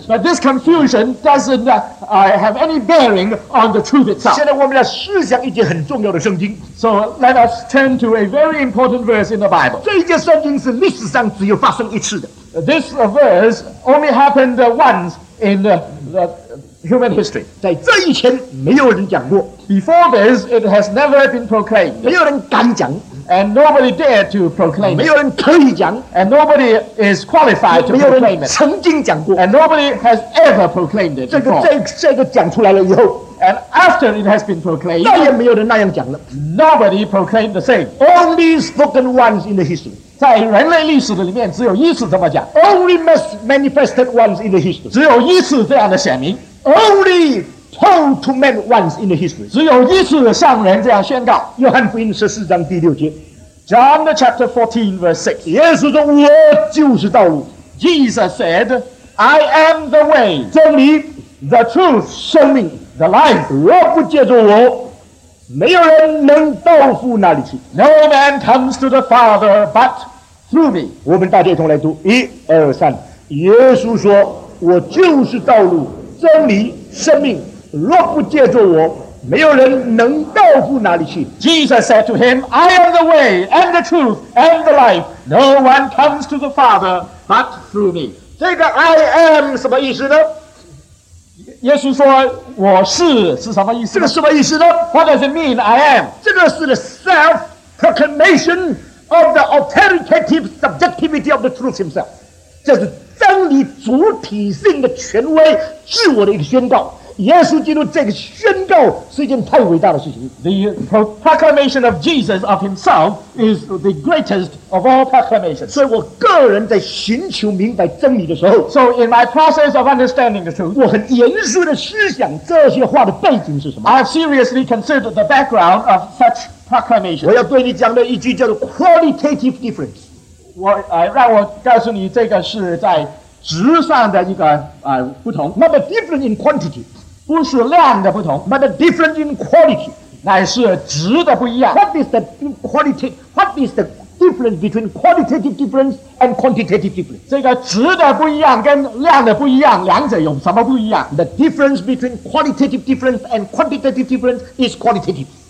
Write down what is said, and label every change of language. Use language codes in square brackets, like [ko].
[en] but this confusion doesn't have any bearing on the truth itself. [zh] 现在我们来思想一节很重要的圣经, [en] so let us turn to a very important verse in the Bible. [zh] 这一节圣经是历史上只有发生一次的。 [en] This verse only happened once in the human history. [zh] 在这以前没有人讲过。 [en] Before this, it has never been proclaimed. [zh] 没有人敢讲。 [en] And nobody dared to proclaim it. [zh] 没有人可以讲。 [en] And nobody is qualified to proclaim it. [zh] 没有人曾经讲过。 [en] And nobody has ever proclaimed it before. [zh] 这个讲出来了以后。 [en] And after it has been proclaimed. [zh] 再也没有人那样讲了。 [en] Nobody proclaimed the same. Only spoken once in the history. [zh] 在人类历史的里面只有一次这么讲 [en] Only manifested once in the history [zh] 只有一次这样的显明 [en] Only told to men once in the history [zh] 只有一次向人这样宣告约翰福音十四章第六节 [en] John chapter 14 verse 6 [zh] 耶稣说我就是道路 [en] Jesus said I am the way [zh] 真理 [en] The truth [zh] 生命 [en] The life [zh] 若不借着我没有人能到父那里去。 [en] No man comes to the Father but through me. [zh] 我们大家一同来读，一、二、三。耶稣说：“我就是道路、真理、生命。若不借着我，没有人能到父那里去。” [en] Jesus said to him, "I am the way and the truth and the life. No one comes to the Father but through me." [zh] 这个 [en] "I am" [zh] 什么意思呢？耶稣说我是什么意思这个什么意思呢 [en] What does it mean I am [zh] 这个是 [en] the self-proclamation of the authoritative subjectivity of the truth himself [zh] 这是真理主体性的权威自我的一个宣告耶稣基督这个宣告是一件太伟大的事情 [en] The proclamation of Jesus of himself is the greatest of all proclamations [zh] 所以我个人在寻求明白真理的时候 [en] So in my process of understanding the truth [zh] 我很严肃地思想这些话的背景是什么 [en] I have seriously considered the background of such proclamations [zh] 我要对你讲的一句叫做 [en] qualitative difference [zh] 我让我告诉你这个是在质上的一个不同 [en] Not a different in quantity [zh] 不是量的不同 [en] but a difference in quality [zh] 乃是质的不一样 [en] What is the difference between qualitative difference and quantitative difference [zh] 这个质的不一样跟量的不一样两者有什么不一样 [en] The difference between qualitative difference and quantitative difference is qualitative